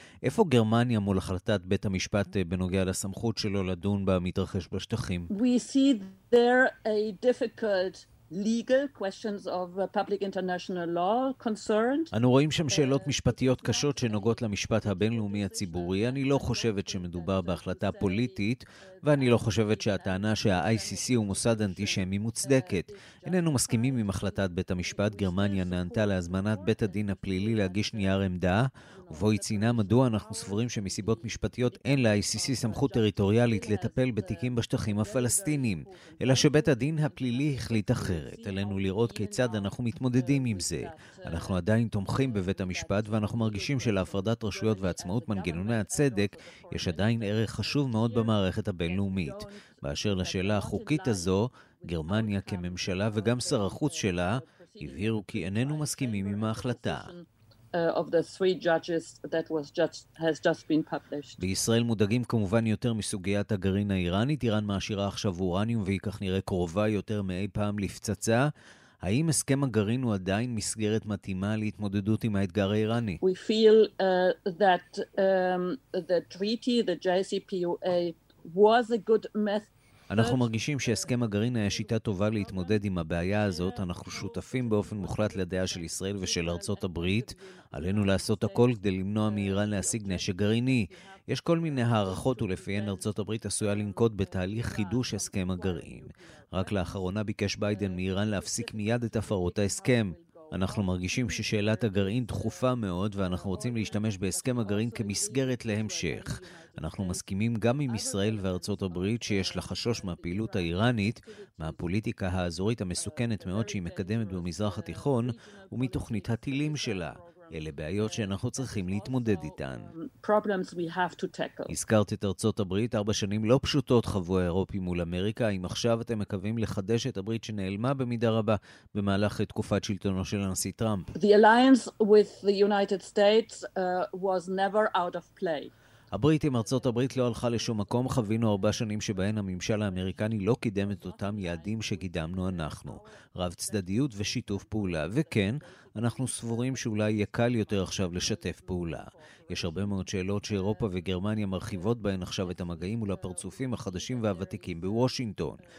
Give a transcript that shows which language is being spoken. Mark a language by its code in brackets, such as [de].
[he] איפה גרמניה מול החלטת בית המשפט בנוגע לסמכות שלו לדון במתרחש בשטחים? [en] We see there a difficult legal questions of public international law concerned. [he] אנו רואים שם שאלות משפטיות קשות שנוגעות למשפט הבינלאומי הציבורי. אני לא חושבת שמדובר בהחלטה פוליטית, ואני לא חושבת שהטענה שה-ICC הוא מוסד אנטישמי מוצדקת. איננו מסכימים עם החלטת בית המשפט. גרמניה נענתה להזמנת בית הדין הפלילי להגיש נייר עמדה, ובו היא ציינה מדוע אנחנו סבורים שמסיבות משפטיות אין ל-ICC סמכות טריטוריאלית לטפל בתיקים בשטחים הפלסטינים, אלא שבית הדין הפלילי החליט אחרת. עלינו לראות כיצד אנחנו מתמודדים עם זה. אנחנו עדיין תומכים בבית המשפט, ואנחנו מרגישים שלהפרדת רשויות ועצמאות מנגנוני הצדק יש עדיין ערך חשוב מאוד במערכת הבינלאומית. באשר לשאלה החוקית הזו, גרמניה כממשלה וגם שר החוץ שלה הבהירו כי איננו מסכימים עם ההחלטה. [en] Of the three judges that was just has just been published. [he] בישראל מודאגים כמובן יותר מסוגיית הגרעין האיראנית. איראן מעשירה עכשיו אורניום והיא כך נראה קרובה יותר מאי פעם לפצצה. האם הסכם הגרעין הוא עדיין מסגרת מתאימה להתמודדות עם האתגר האיראני? [en] We feel that the treaty, the JCPOA was a good method. [he] אנחנו מרגישים שהסכם הגרעין היה שיטה טובה להתמודד עם הבעיה הזאת. אנחנו שותפים באופן מוחלט לדעה של ישראל ושל ארצות הברית. עלינו לעשות הכל כדי למנוע מאיראן להשיג נשק גרעיני. יש כל מיני הערכות ולפיהן ארצות הברית עשויה לנקוט בתהליך חידוש הסכם הגרעין. רק לאחרונה ביקש ביידן מאיראן להפסיק מיד את הפרות ההסכם. אנחנו מרגישים ששאלת הגרעין דחופה מאוד ואנחנו רוצים להשתמש בהסכם הגרעין כמסגרת להמשך. אנחנו מסכימים גם עם ישראל וארצות הברית שיש לחשוש מהפעילות האיראנית, מהפוליטיקה האזורית המסוכנת מאוד שהיא מקדמת במזרח התיכון ומתוכנית הטילים שלה. אלה בעיות שאנחנו צריכים להתמודד איתן. [en] Problems we have to tackle. [he] הזכרת את ארצות הברית, 4 שנים לא פשוטות חוו האירופי מול אמריקה. אם עכשיו אתם מקווים לחדש את הברית שנעלמה במידה רבה במהלך תקופת שלטונו של הנשיא טראמפ. [en] The alliance with the United States was never out of play. [he] הברית עם ארצות הברית לא הלכה לשום מקום. חווינו 4 שנים שבהן הממשל האמריקני לא קידם את אותם יעדים שקידמנו אנחנו. רב צדדיות ושיתוף פעולה. וכן, אנחנו סבורים שאולי יהיה קל יותר עכשיו לשתף פעולה. יש הרבה מאוד שאלות שאירופה וגרמניה מרחיבות בהן עכשיו את המגעים מול הפרצופים החדשים והוותיקים בוושינגטון.